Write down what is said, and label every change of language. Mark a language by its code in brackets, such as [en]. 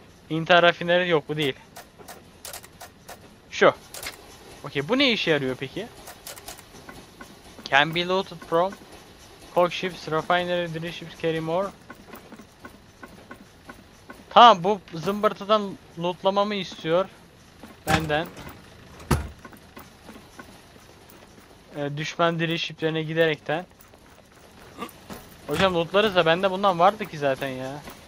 [tr] İnter rafineri yok bu değil. Şu. Okey, bu ne işe yarıyor peki? [en] Can be loaded from coke ships, refinery, drill ships, carry more. [tr] Tamam, bu zımbırtıdan lootlamamı istiyor benden. Düşman drill ships'lerine giderekten. Hocam lootlarız da bende bundan vardı ki zaten ya.